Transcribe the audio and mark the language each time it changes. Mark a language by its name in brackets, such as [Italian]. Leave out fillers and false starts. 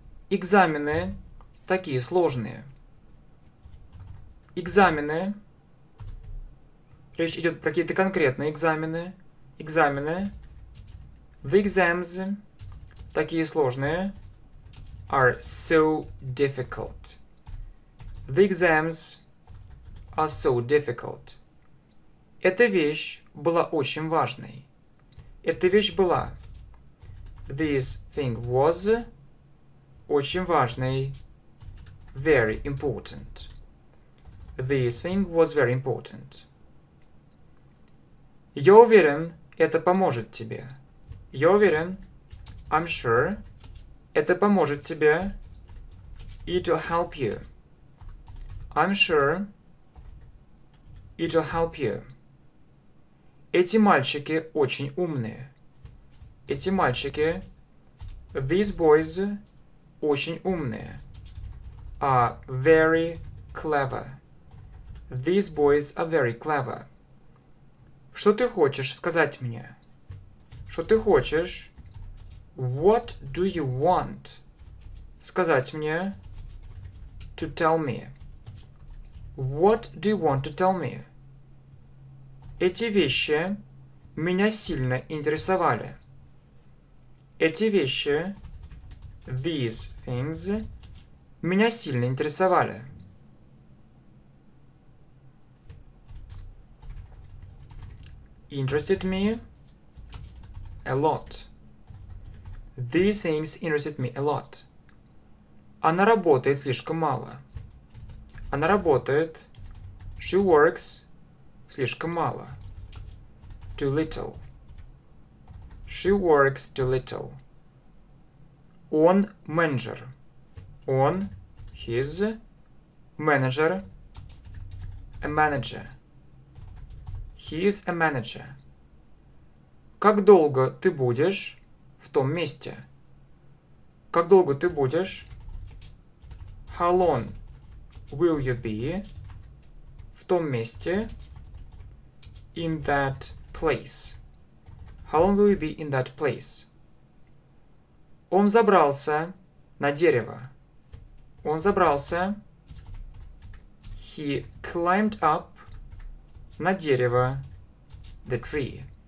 [Russian] Экзамены такие сложные. Экзамены. Речь идет про какие-то конкретные экзамены. Экзамены. [English] The exams [Russian] такие сложные. [English] Are so difficult. The exams are so difficult. [Russian] Эта вещь была очень важной. Эта вещь была. [English] This thing was [Russian] очень важной. [English] Very important. This thing was very important. [Russian] Я уверен, это поможет тебе. Я уверен, [English] I'm sure, [Russian] это поможет тебе. [English] It'll help you. I'm sure, it'll help you. [Russian] Эти мальчики очень умные. Эти мальчики, [English] these boys, [Russian] очень умные. [English] Are very clever. These boys are very clever. [Russian] Что ты хочешь сказать мне? Что ты хочешь? [English] What do you want? [Russian] Сказать мне? [English] To tell me. What do you want to tell me? [Russian] Эти вещи меня сильно интересовали. Эти вещи, [English] these things, [Russian] меня сильно интересовали. [English] Interested me a lot. These things interested me a lot. [Russian] Она работает слишком мало. Она работает. [English] She works [Russian] слишком мало. [English] Too little. She works too little. [Russian] Он менеджер. Он, [English] his, manager, a manager. He is a manager. [Russian] Как долго ты будешь в том месте? Как долго ты будешь? [English] How long will you be [Russian] в том месте? [English] In that place. How long will you be in that place? [Russian] Он забрался на дерево. Он забрался. [English] He climbed up [Russian] на дерево. [English] The tree.